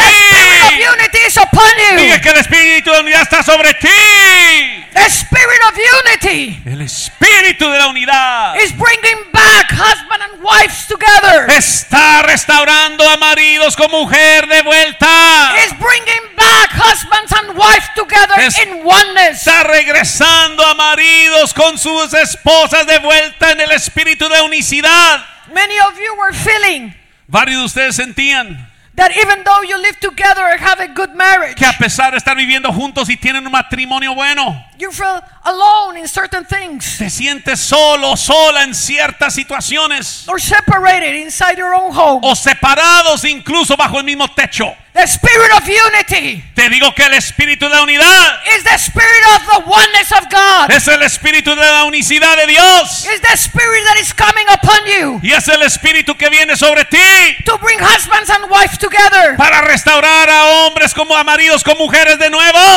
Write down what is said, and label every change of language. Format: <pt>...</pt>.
<en>The spirit of unity is upon you.</en> <es>Dije que el espíritu de la unidad está sobre ti.</es> <en>The spirit of unity.</en> <es>El espíritu de la unidad</es> <en>is bringing back husband and wives together.</en> <es>Está restaurando a maridos con mujer de vuelta.</es> <en>Is bringing back husbands and wives together in oneness.</en> <es>Está regresando a maridos con sus esposas de vuelta en el espíritu de unicidad.</es> <en>Many of you were feeling.</en> <es>Varios de ustedes sentían.</es> <en>That even though you live together and have a good marriage,</en> <es>que a pesar de estar viviendo juntos y tienen un matrimonio bueno,</es> <en>you feel alone in certain things.</en> <es>Te sientes solo, sola en ciertas situaciones,</es> <en>or separated inside your own home.</en> <es>O separados incluso bajo el mismo techo.</es> <en>The spirit of unity.</en> <es>Te digo que el espíritu de la unidad</es> <en>is the spirit of the oneness of God.</en> <es>Es el espíritu de la unicidad de Dios.</es> <en>Is the spirit that is coming upon you.</en> <es>Y es el espíritu que viene sobre ti.</es> <en>To bring husbands and wives together.</en> <es>Para restaurar a hombres como a maridos con mujeres de nuevo.</es>